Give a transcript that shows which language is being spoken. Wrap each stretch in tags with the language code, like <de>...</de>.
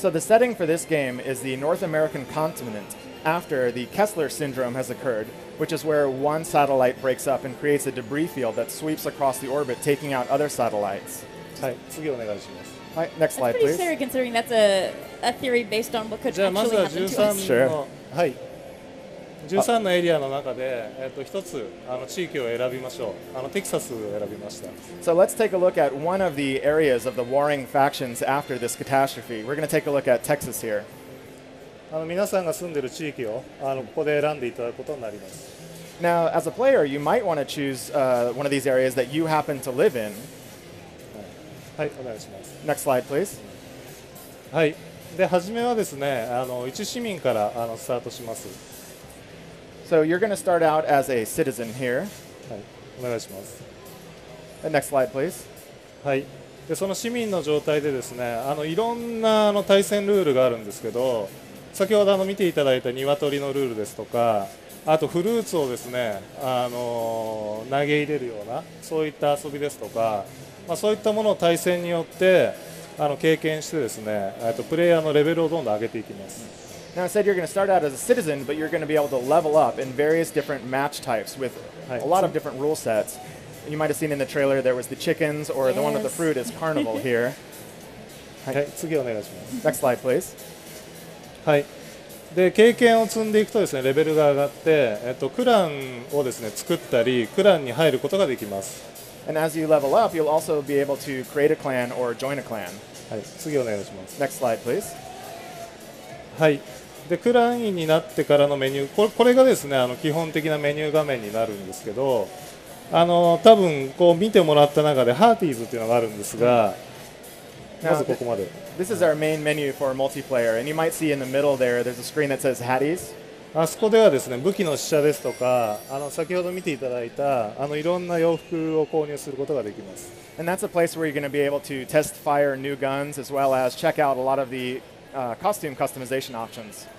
<en>So the setting for this game is the North American continent after the Kessler syndrome has occurred, which is where one satellite breaks up and creates a debris field that sweeps across the orbit, taking out other satellites.</en> <ja>はい、次お願いします。</ja> <en>はい、next slide, please. That's pretty scary considering that's a theory based on what could actually happen to us.</en> <ja>じゃあまずは13の、</ja> <en>sure.</en> <ja>はい、13のエリアの中で一つ地域を選びましょう。テキサスを選びました。</ja> <en>So let's take a look at one of the areas of the warring factions after this catastrophe. We're going to take a look at Texas here.</en> <ja>皆さんが住んでる地域をここで選んでいただくことになります。</ja> <en>Now, as a player, you might want to choose one of these areas that you happen to live in.</en> <ja>はい、お願いします。</ja> <en>Next slide, please.</en> <ja>はい。で、初めはですね、一市民からスタートします。</ja> <en>So you're going to start out as a citizen here.</en> <ja>はい、お願いします。</ja> <en>And next slide, please.</en> <ja>はい。で、その市民の状態でですね、いろんな対戦ルールがあるんですけど、先ほど見ていただいた鶏のルールですとか、あとフルーツをですね、投げ入れるような、そういった遊びですとか、まあ、そういったものを対戦によって、経験してですね、プレイヤーのレベルをどんどん上げていきます。</ja> <en>Now I said you're going to start out as a citizen, but you're going to be able to level up in various different match types with a lot of different rule sets. You might have seen in the trailer there was the chickens or the one with the fruit is carnival here.</en> <ja>はい、はい、次お願いします。</ja> <en>Next slide, please.</en> <ja>はい。で、経験を積んでいくとですね、レベルが上がって、クランをですね、作ったり、クランに入ることができます。</ja> <en>And as you level up, you'll also be able to create a clan or join a clan.</en> <ja>はい、次お願いします。</ja> <en>Next slide, please.</en> <ja>はい。で、クラン員になってからのメニュー、これがですね、基本的なメニュー画面になるんですけど、多分こう見てもらった中で、ハーティーズっていうのがあるんですが、まずここまで。</ja> <en>This is our main menu for multiplayer, and you might see in the middle there, there's a screen that says Hatties.</en> <ja>あそこではですね、武器の試写ですとか、先ほど見ていただいた、いろんな洋服を購入することができます。</ja> <en>And that's a place where you're going to be able to test fire new guns as well as check out a lot of the, costume customization options.</en>